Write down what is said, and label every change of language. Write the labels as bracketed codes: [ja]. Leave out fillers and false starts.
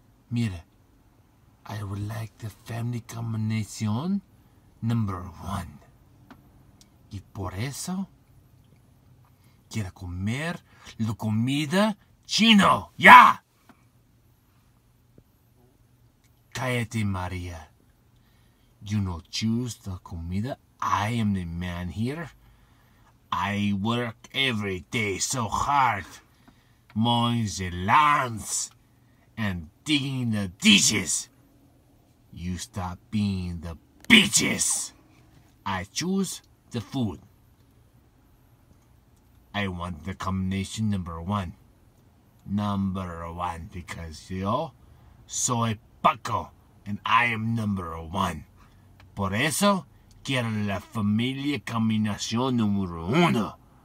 [es] Mira, [en] I would like the family combination number one. [es] Y por eso, quiero comer la comida chino, ya! Cállate, María. [en] You no choose the comida. I am the man here. I work every day so hard, mowing the lawns and digging the ditches. You stop being the bitches. I choose the food. I want the combination number one. Number one, because you're [es] soy paco [en] and I am number one. [es] Por eso, quiero la familia combinación número uno.